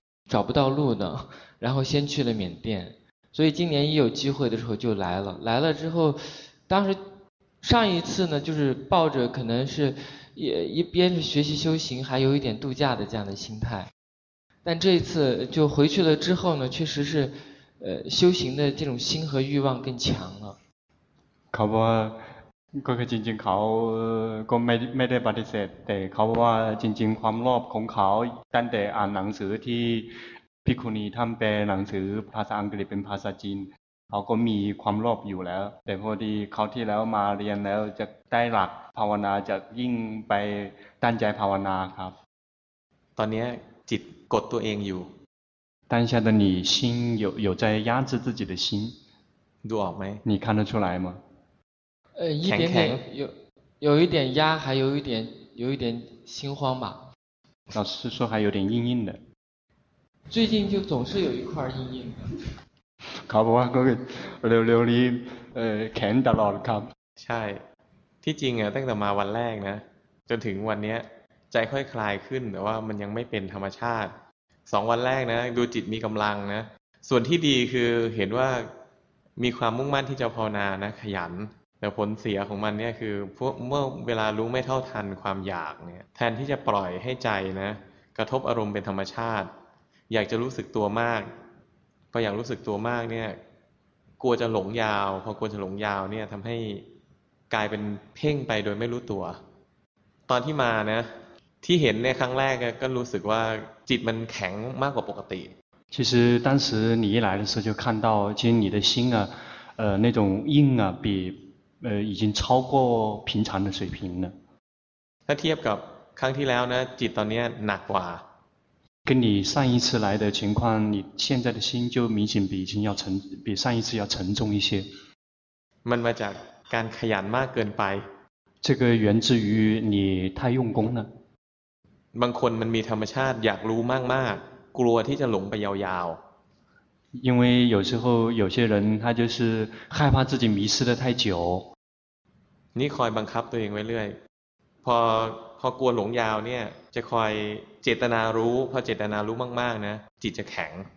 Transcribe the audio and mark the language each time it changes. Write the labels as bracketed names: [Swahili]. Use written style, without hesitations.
[Chinese] 找不到路的然后先去了缅甸所以今年一有机会的时候就来了来了之后当时上一次呢就是抱着可能是一边是学习修行还有一点度假的这样的心态但这一次就回去了之后呢确实是修行的这种心和欲望更强了 [Thai] เขาบอกว่าก็คือจริงๆเขาก็ไม่ได้ปฏิเสธแต่เขาบอกว่าจริงๆความโลภของเขาตั้งแต่อ่านหนังสือที่ภิกขุณีท่านแปลหนังสือภาษาอังกฤษเป็นภาษาจีนเขาก็มีความโลภอยู่แล้วแต่พอดีเขาที่แล้วมาเรียนแล้วจะได้หลักภาวนาจะยิ่งไปตั้งใจภาวนาครับ ตอนนี้จิตกดตัวเองอยู่ [Chinese] 当下的你心有在压制自己的心，读好没？你看得出来吗？一点点有一点压，还有一点心慌吧。老师说还有点硬硬的。最近就总是有一块硬硬的。考不完那个六六的看到了考。 [Thai] ใ ช่ที่จริงอ่ะตั้งแต่มาวันแรกนะจนถึงวันนี้ใจค่อยคลายขึ้นแต่ว่ามันยังไม่เป็นธรรมชาติสองวันแรกนะดูจิตมีกำลังนะส่วนที่ดีคือเห็นว่า มีความมุ่งมั่นที่จะภาวนานะขยันแต่ผลเสียของมันเนี่ยคือเมื่อเวลารู้ไม่เท่าทันความอยากเนี่ยแทนที่จะปล่อยให้ใจนะกระทบอารมณ์เป็นธรรมชาติอยากจะรู้สึกตัวมากพออยากรู้สึกตัวมากเนี่ยกลัวจะหลงยาวพอกลัวจะหลงยาวเนี่ยทำให้กลายเป็นเพ่งไปโดยไม่รู้ตัวตอนที่มานะที่เห็นเนี่ยครั้งแรกก็รู้สึกว่าจิตมันแข็งมากกว่าปกติ [Chinese] 其实当时你一来的时候就看到其实你的心啊那种硬啊比已经超过平常的水平了 [Thai] ถ้าเทียบกับครั้งที่แล้วนะจิตตอนนี้หนักกว่า [Chinese] 跟你上一次来的情况你现在的心就明显比已经要沉比上一次要沉重一些 [Thai] มันมาจากการขยันมากเกินไป [Chinese] 这个源自于你太用功了 [Thai] บางคนมันมีธรรมชาติอยากรู้มากมากกลัวที่จะหลงไปยาว [Chinese] ๆ因为有时候有些人他就是害怕自己迷失的太久 [Thai] นี่คอยบังคับตัวเองไว้เรื่อยพอกลัวหลงยาวเนี่ยจะคอยเจตนารู้พอเจตนารู้มากๆนะจิตจะแข็ง